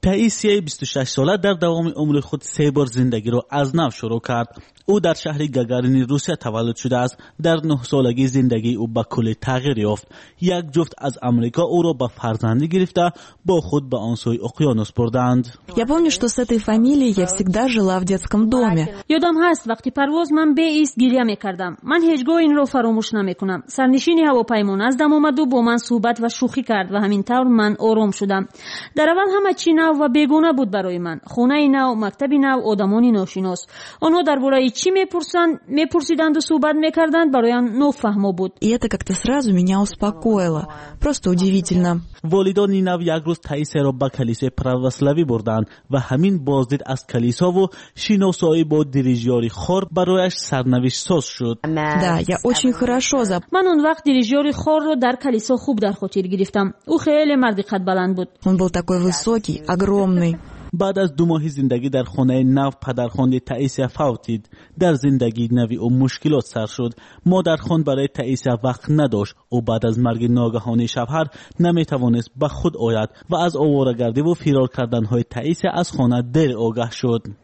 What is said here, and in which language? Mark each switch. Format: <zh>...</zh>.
<fa>تاییسیه 26 ساله در دوام عمر خود سه بار زندگی را از نو شروع کرد. او در شهر گاگارین روسیه تولد شده است. در 9 سالگی زندگی او به کلی تغییر یافت. یک جفت از امریکا او را به فرزندی گرفته با خود به آن سوی اقیانوس بردند.</fa> <ru>Я помню, что с этой фамилией я всегда жила в детском доме.</ru> <fa>یادم هست وقتی پرواز من به ایست گریه میکردم. من هیچگاه این را فراموش نمیکنم. سرنشین هواپیما نزدم آمد و با من صحبت و شوخی کرد و همین طور من آروم شدم. در اول همه چی نو و بیگانه بود برای من. خونه نو، مکتب نو، آدمان ناشناس. آنها درباره چی میپرسند، میپرسیدند و صحبت میکردند برایم نفهمو بود.</fa> <ru>И это как-то сразу меня успокоило. Просто удивительно.</ru> <fa>والدین نو یک روز تاییس را به کلیسای پروسلاوی بردند و همین بازدید از کلیسا و شناسایی با دیریجیار خور برایش سرنوشت ساز شد.</fa> <ru>Да, я очень хорошо запомнил.</ru> <fa>من اون وقت دیریجیار خور رو در کلیسا خوب در خاطر گرفتم. او خیلی مرد قد بلند بود.</fa> <ru>Он был такой высокий, огромный.</ru> <fa>بعد از دو ماهی زندگی در خانه نو پدرخوانده تئیسیا فوتید. در زندگی نوی او مشکلات سر شد. مادرخوان برای تئیسیا وقت نداشت و بعد از مرگ ناگهانی شوهر نمیتوانست به خود آید و از آوارگردی و فرار کردن های تئیسیا از خانه دل آگاه شد.</fa>